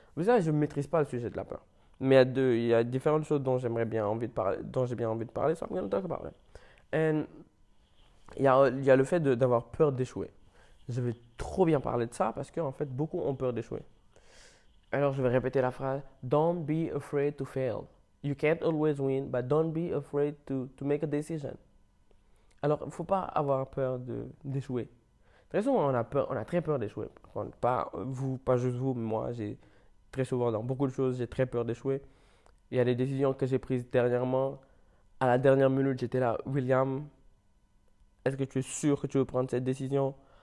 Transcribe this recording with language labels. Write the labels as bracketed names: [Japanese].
[French] Vous savez, je ne maîtrise pas le sujet de la peur. Mais il y a différentes choses dont j'aimerais bien envie de parler, dont j'ai bien envie de parler, [English] so I'm going to talk about it. [French] Il y a le fait d'avoir peur d'échouer. Je vais trop bien parler de ça parce qu'en fait, beaucoup ont peur d'échouer. Alors, je vais répéter la phrase. [English] Don't be afraid to fail. You can't always win, but don't be afraid to make a decision. [French] Alors, il ne faut pas avoir peur d'échouer. Très souvent, on a très peur d'échouer. Enfin, pas juste vous, mais moi, j'ai très souvent, dans beaucoup de choses, j'ai très peur d'échouer. Il y a des décisions que j'ai prises dernièrement. À la dernière minute, j'étais là, William, est-ce que tu es sûr que tu veux prendre cette décision?